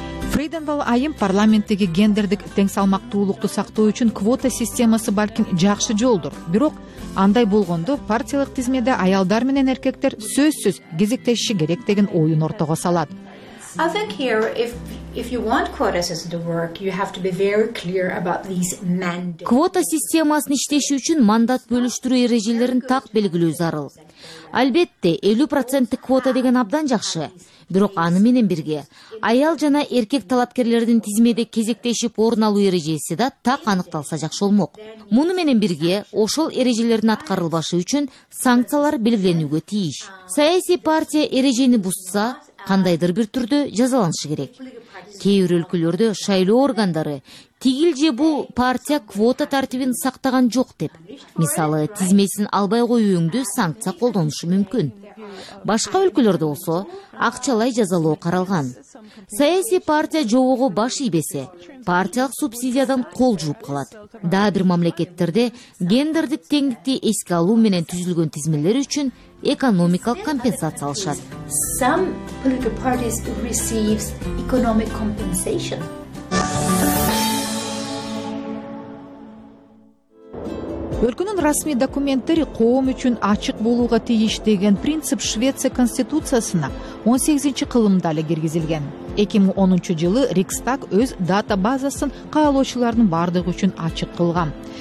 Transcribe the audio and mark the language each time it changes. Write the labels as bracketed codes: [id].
[ky] Фрейденвал айым парламенттеги гендердик тең салмактуулукту сактоо үчүн квота системасы балким жакшы жолдур. Бирок андай болгондо партиялык тизмеде аялдар менен эркектер сөзсүз кезектешиши керек деген оюн ортого салат. [en] I think here if you want quota system to work, you have to be very clear about these mandates. [ky] Квота системасын иштеши үчүн мандат бөлүштүрүү эрежелерин так белгилөө зарыл. Албетте, 50% квота деген абдан жакшы. Бирок аны менен бирге аял жана эркек талапкерлердин тизмеде кезектешип орун алуу эрежеси да так аныкталса жакшы болмок. Муну менен бирге ошол эрежелердин аткарылбашы үчүн санкциялар белгиленүүгө тийиш. Саясий партия эрежени бузса, кандайдыр бир түрдө жазаланышы керек. Кээ бир өлкөлөрдө шайлоо органдары тигил же бул партия квота тартибин сактаган жок деп, мисалы, тизмесин албай коюуңду санкция колдонушу мүмкүн. Башка өлкөлөрдө болсо, акчалай жазалоо каралган. Саясий партия жобого баш ийбесе, партиялык субсидиядан кол жууп калат. Дагы бир мамлекеттерде гендердик теңдикти эске алуу менен түзүлгөн тизмелер үчүн экономикалык компенсация алышат. [en] Some political parties receive economic compensation. [ky] Өлкөнүн расмий документтери коом үчүн ачык болууга тийиш деген принцип Швеция конституциясына 18-чи кылымда эле киргизилген. 2010 жылы Рикстаг өз дата базасын каалоочулардын бардыгы үчүн ачык кылган.